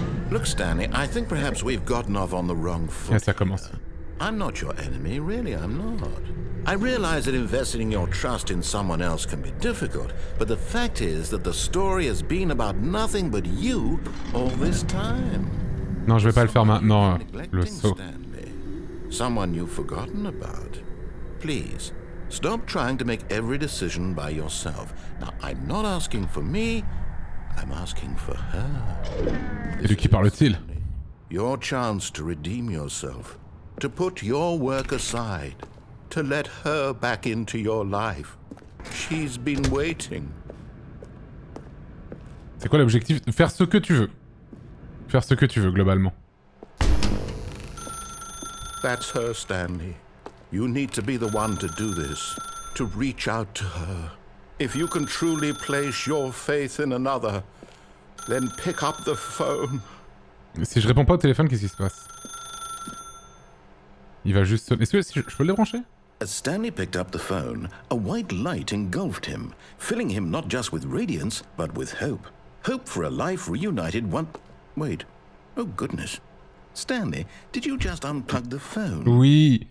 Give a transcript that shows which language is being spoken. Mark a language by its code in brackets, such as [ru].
[en] Look, Stanley, I think perhaps we've gotten off on the wrong foot. [fr] Et ça commence. [en] I'm not your enemy, really, I'm not. I realize that investing your trust in someone else can be difficult, but the fact is that the story has been about nothing but you all this time. [fr] Non, je vais pas le faire maintenant, le saut. [en] Someone you've forgotten about. Please, stop trying to make every decision by yourself. Now, I'm not asking for me, I'm asking for her. [fr] Et de qui parle-t-il? [en] Your chance to redeem yourself. To put your work aside, to let her back into your life. She's been waiting. [fr] C'est quoi l'objectif? Faire ce que tu veux. Faire ce que tu veux, globalement. [en] That's her, Stanley. You need to be the one to do this. To reach out to her. If you can truly place your faith in another, then pick up the phone. [fr] Si je réponds pas au téléphone, qu'est-ce qui se passe? Il va juste sonner. Est-ce que je peux le débrancher? [en] As Stanley picked up the phone, a white light engulfed him, filling him not just with radiance, but with hope. Hope for a life reunited one... Wait. Oh goodness. Stanley, did you just unplug the phone? [fr] Oui.